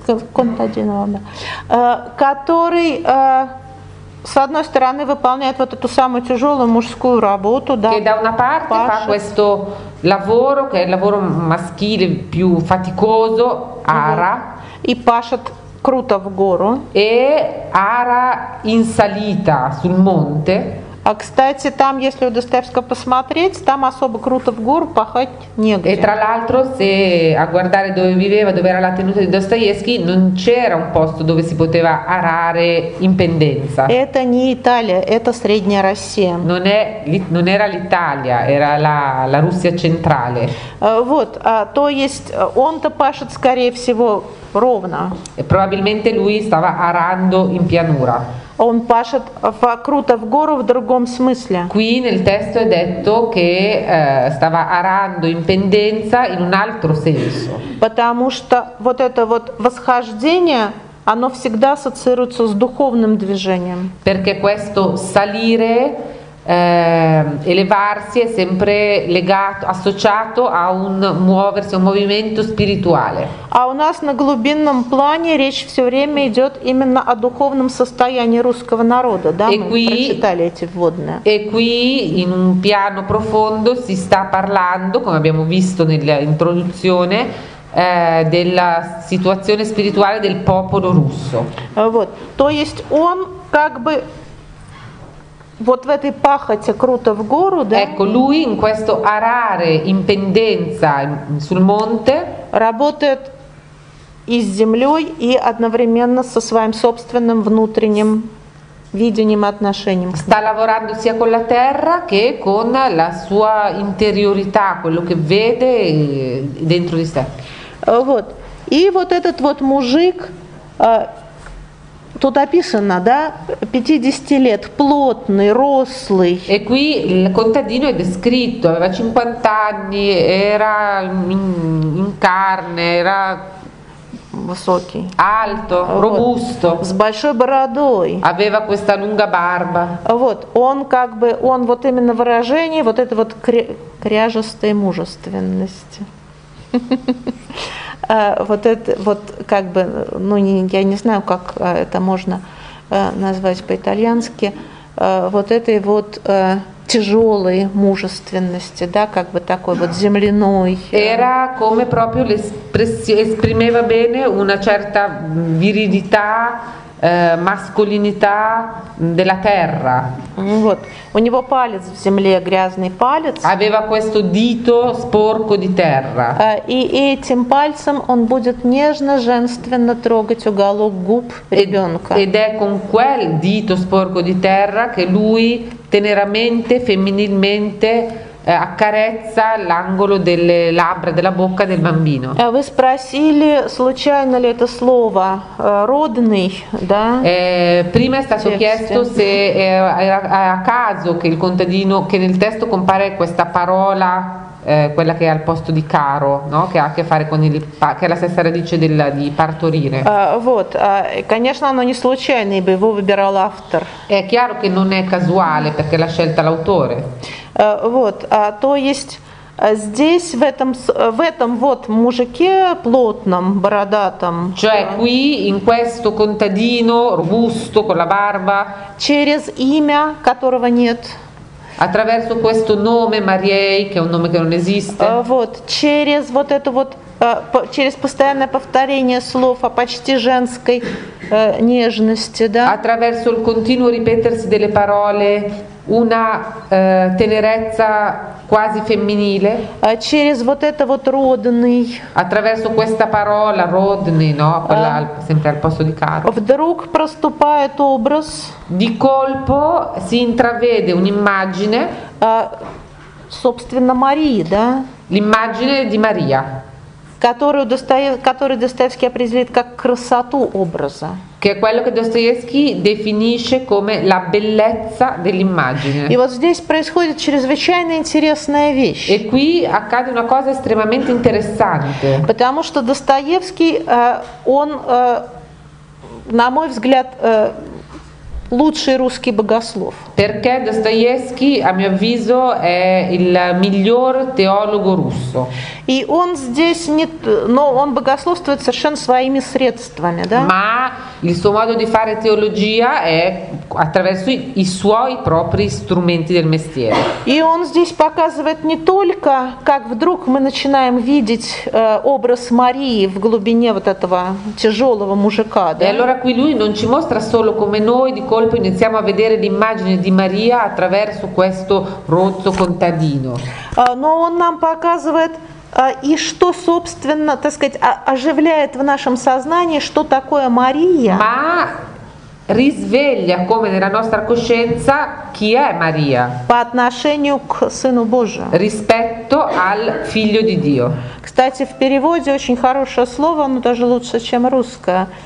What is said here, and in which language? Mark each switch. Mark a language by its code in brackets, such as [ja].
[it] contadino, vabbè, [ru] который, с одной стороны, выполняет вот эту самую тяжелую мужскую работу, да, [it] che da una parte [ru] паша. [it] Fa questo lavoro, che è il lavoro maschile più faticoso, ara, [ru] и пашет круто в гору, [it] e ara in salita sul monte. [ru] А, кстати, там, если у Достоевского посмотреть, там особо круто в гору пахать негде. [it] E tra l'altro, se a guardare dove viveva, dove era la tenuta di Dostoevskij, non c'era un posto dove si poteva arare in pendenza. [ru] Это не Италия, это Средняя Россия. [it] Non è, non era l'Italia, era la, la Russia centrale. [ru] Вот, то есть он-то пашет, скорее всего, ровно. [it] E probabilmente lui stava arando in pianura. [ru] Он пашет круто в гору в другом смысле. [it] Qui nel testo è detto che stava arando in pendenza in un altro senso. [ru] Потому что вот это вот восхождение, оно всегда ассоциируется с духовным движением. [it] Perché questo salire, elevarsi è sempre legato, associato a un muoversi, un movimento spirituale. [ru] А у нас на глубинном плане речь все время идет именно о духовном состоянии русского народа, да? [it] E qui, [ru] мы прочитали эти вводные. [it] E qui in un piano profondo si sta parlando, come abbiamo visto nell'introduzione, della situazione spirituale del popolo russo. [ru] Вот, то есть он как бы вот в этой пахоте круто в гору, да? [it] Ecco, lui in questo arare in pendenza sul monte [ru] работает и с землей, и одновременно со своим собственным внутренним видением и отношением. [it] Sta lavorando sia con la terra che con la sua interiorità, quello che vede dentro di sé. [ru] Вот. И вот этот вот мужик, тут описано, да, 50 лет, плотный, рослый. [it] E qui il contadino è descritto, aveva 50 anni, era in carne, era [ru] высокий. [it] Alto, robusto. [ru] С большой бородой. [it] Aveva questa lunga barba. [ru] Вот, он как бы, он вот именно выражение вот этой вот кряжестой мужественности. Вот это вот как бы, ну я не знаю, как это можно назвать по-итальянски, вот этой вот тяжелой мужественности, да, как бы такой вот земляной. [it] Era come proprio esprimeva bene una certa viridità, mascolinità della terra. [ru] Вот. У него палец в земле, грязный палец. [it] Aveva questo dito sporco di terra. [ru] И этим пальцем он будет нежно, женственно трогать уголок губ ребенка. [it] Ed è con quel dito sporco di terra che lui teneramente, femminilmente accarezza l'angolo delle labbra, della bocca del bambino. [ru] Вы спросили, случайно ли это слово родный, да? [it] Prima è stato chiesto se a caso che il contadino, che nel testo compare questa parola, quella che è al posto di caro, no? Che ha a che fare con il, che è la stessa radice del, di partorire. [ru] Вот, конечно, оно не случайное, ибо его выбирал автор. [it] È chiaro che non è casuale, perché l'ha scelta l'autore. [ru] Вот, то есть здесь в этом вот мужике плотном, бородатом. [it] Cioè qui in questo contadino robusto con la barba. [ru] Через имя, которого нет. [it] Attraverso questo nome Mariei, che è un nome che non esiste. [ru] Вот, через вот это вот через постоянное повторение слов о почти женской нежности, да? [it] Attraverso il continuo ripetersi delle parole. Una tenerezza quasi femminile. [ru] Через вот это вот родный. [it] Attraverso questa parola родный, no? Quella sempre al posto di caro. [ru] Вдруг проступает образ. [it] Di colpo si intravede un'immagine. [ru] Собственно Марии, да? [it] L'immagine di Maria. [ru] Которую Достоевский определит как красоту образа. [it] Che è quello che Dostoevsky definisce come la bellezza dell'immagine. [ru] И вот здесь происходит чрезвычайно интересная вещь. [it] E qui accade una cosa estremamente interessante. [ru] Потому что Достоевский, он, на мой взгляд, лучший русский богослов. [it] Perché Dostoevsky, a mio avviso, è il miglior teologo russo. [ru] И он здесь не, но он богословствует совершенно своими средствами, да? [it] Ma il suo modo di fare teologia è attraverso i suoi propri strumenti del mestiere. [ru] И он здесь показывает не только, как вдруг мы начинаем видеть образ Марии в глубине вот этого тяжелого мужика, да? [it] E allora qui lui non ci mostra solo come noi di colpo iniziamo a vedere l'immagine di Maria attraverso questo rozzo contadino. [ru] Но он нам показывает и что, собственно, так сказать, оживляет в нашем сознании, что такое Мария? [it] Ma risveglia come nella nostra coscienza chi è Maria? [ru] По отношению к Сыну Божию. [it] Rispetto al figlio di Dio. [ru] Кстати, в переводе очень хорошее слово, оно даже лучше, чем русское.